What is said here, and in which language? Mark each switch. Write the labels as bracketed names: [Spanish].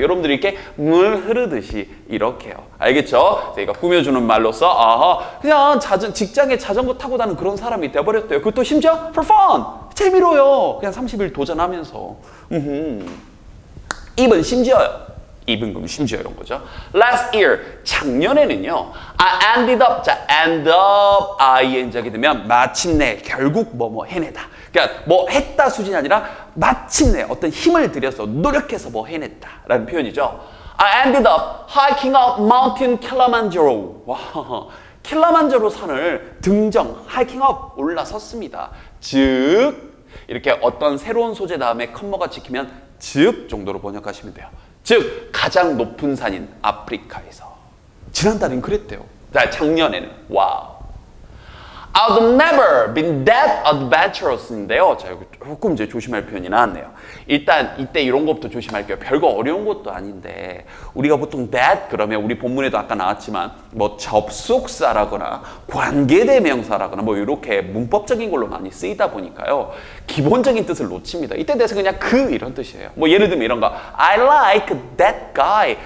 [Korean] 여러분들이 이렇게 물 흐르듯이 이렇게요. 알겠죠? 제가 꾸며주는 말로써 아하 그냥 직장에 자전거 타고 다니는 그런 사람이 돼버렸대요. 그것도 심지어 [English] for fun! [Korean] 재미로요! 그냥 30일 도전하면서 입은 심지어요. 입은 건 심지어 이런 거죠. [English] Last year, 작년에는요. I ended up, [Korean] 자, [English] end up, [Korean] ing 하게 되면 마침내, 결국 뭐뭐 해내다. 그러니까 뭐 했다 수준이 아니라 마침내 어떤 힘을 들여서 노력해서 뭐 해냈다라는 표현이죠. [English] I ended up hiking up mountain Kilimanjaro. [Korean] 와, 킬라만자로 산을 등정, hiking up 올라섰습니다. 즉, 이렇게 어떤 새로운 소재 다음에 컴마가 지키면 즉 정도로 번역하시면 돼요. 즉 가장 높은 산인 아프리카에서 지난달엔 그랬대요. 자 작년에는 와우. [English] I've never been that adventurous인데요. [Korean] 자 여기 조금 이제 조심할 표현이 나왔네요. 일단 이때 이런 것부터 조심할게요. 별거 어려운 것도 아닌데 우리가 보통 that 그러면 우리 본문에도 아까 나왔지만 뭐 접속사라거나 관계대명사라거나 뭐 이렇게 문법적인 걸로 많이 쓰이다 보니까요. 기본적인 뜻을 놓칩니다. 이때 돼서 그냥 그 이런 뜻이에요. 뭐 예를 들면 이런 거 [English] I like that guy.